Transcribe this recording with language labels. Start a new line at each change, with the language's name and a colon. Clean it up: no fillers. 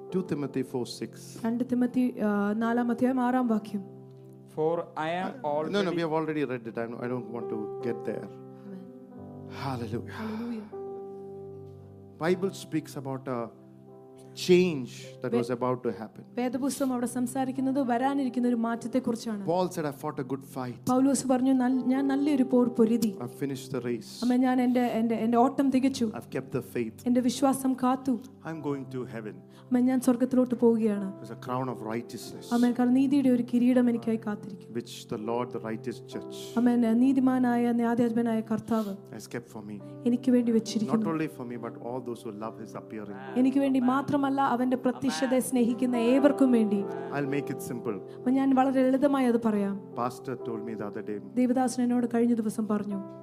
English: Timothy 4:6. For I am already... No, we have already read it. I don't want to get there. Amen. Hallelujah. Hallelujah. Bible speaks about a change that was about to happen.
Malayalam: വേദപുസ്തകം അവിടെ സംസാരിക്കുന്നത് വരാനിരിക്കുന്ന ഒരു മാറ്റത്തെ കുറിച്ചാണ്.
English: Paul said, I fought a good fight.
Malayalam: പൗലോസ് പറഞ്ഞു ഞാൻ നല്ലൊരു പോർ പൊരുതി.
English: I finished the race.
Malayalam: അമ്മ ഞാൻ എന്റെ ഓട്ടം തികച്ചു.
English: I've kept the faith.
Malayalam: എന്റെ വിശ്വാസം കാത്തു.
English: I'm going to heaven.
Malayalam: അമ്മ ഞാൻ സ്വർഗ്ഗത്തിലോട്ട് പോവുകയാണ്.
English: It's a crown of righteousness.
Malayalam: അമ്മ കർ നീതിയുടെ ഒരു കിരീടം എനിക്കായി കാത്തിരിക്കുന്നു.
English: Which the Lord the righteous judge.
Malayalam: അമ്മ നീതിമാനായ ന്യായാധിപനായ കർത്താവ്.
English: Has kept for me.
Malayalam: എനിക്ക് വേണ്ടി വെച്ചിരിക്കുന്നു.
English: Not only for me but all those who love his appearing.
Malayalam: എനിക്ക് വേണ്ടി മാത്രമല്ല അവന്റെ പ്രത്യക്ഷതയെ സ്നേഹിക്കുന്ന ഏവർക്കും വേണ്ടി.
English: I'll make it simple.
Malayalam: അമ്മ ഞാൻ വളരെ ലളിതമായി അത് പറയാം.
English: Pastor told me the other day.
Malayalam: Devadasan എന്നോട് കഴിഞ്ഞ ദിവസം പറഞ്ഞു.